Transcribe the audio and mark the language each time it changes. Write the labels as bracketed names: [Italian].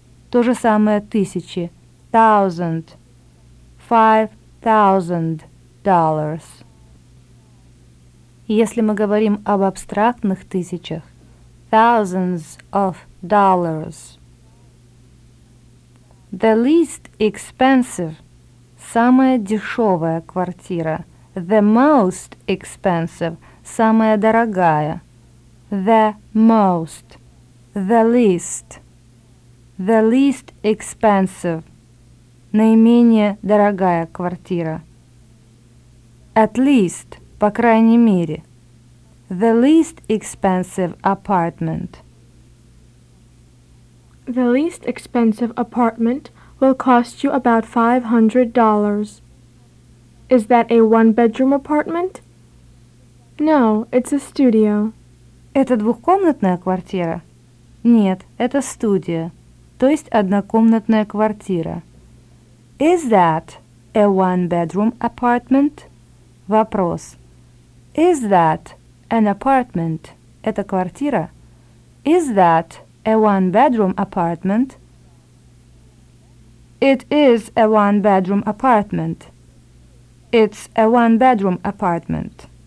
[Russian] То же самое тысячи, thousand, $5,000. Если мы говорим об абстрактных тысячах, [English] thousands of dollars. The least expensive, [Russian] самая дешевая квартира. [English] The most expensive, [Russian] самая дорогая. [English] The most, the least expensive, [Russian] наименее дорогая квартира. [English] At least, [Russian] по крайней мере. [English] The least expensive apartment. The least expensive apartment will cost you about $500. Is that a one-bedroom apartment? No, it's a studio. [Russian] Это двухкомнатная квартира? Нет, это студия, то есть однокомнатная квартира. [English] Is that a one-bedroom apartment? [Russian] Вопрос. [English] Is that an apartment? [Russian] Это квартира? [English] Is that a one-bedroom apartment? It is a one-bedroom apartment. It's a one-bedroom apartment.